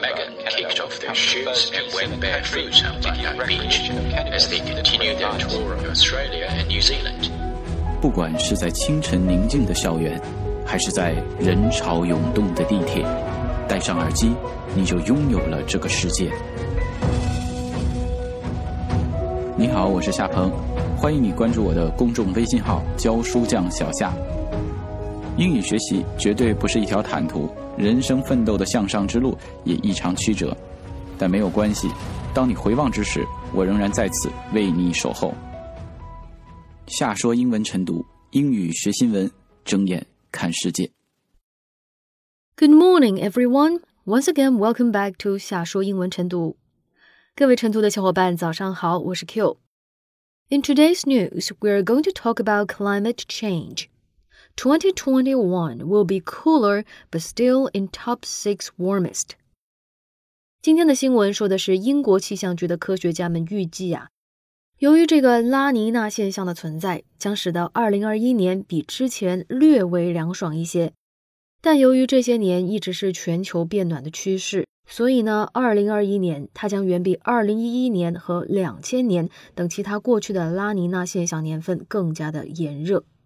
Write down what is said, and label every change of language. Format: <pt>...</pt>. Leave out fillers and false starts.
<en>Megan kicked off their shoes and went barefoot on Bondi Beach as they continued their tour of Australia and New Zealand.</en> <zh>不管是在清晨宁静的校园，还是在人潮涌动的地铁，戴上耳机，你就拥有了这个世界。你好，我是夏鹏，欢迎你关注我的公众微信号教书匠小夏。英语学习绝对不是一条坦途，人生奋斗的向上之路也异常曲折，但没有关系，当你回望之时，我仍然在此为你守候。夏说英文晨读，英语学新闻，睁眼看世界。</zh> <en>Good morning, everyone. Once again, welcome back to 夏说英文晨读。</en> <zh>各位晨读的小伙伴，早上好，我是 Q.</zh> <en>In today's news, we are going to talk about climate change. 2021 will be cooler, but still in top 6 warmest.</en> <zh>今天的新闻说的是英国气象局的科学家们预计啊，由于这个拉尼娜现象的存在，将使得2021年比之前略微凉爽一些。但由于这些年一直是全球变暖的趋势，所以呢2021年它将远比2011年和2000年等其他过去的拉尼娜现象年份更加的炎热。</zh>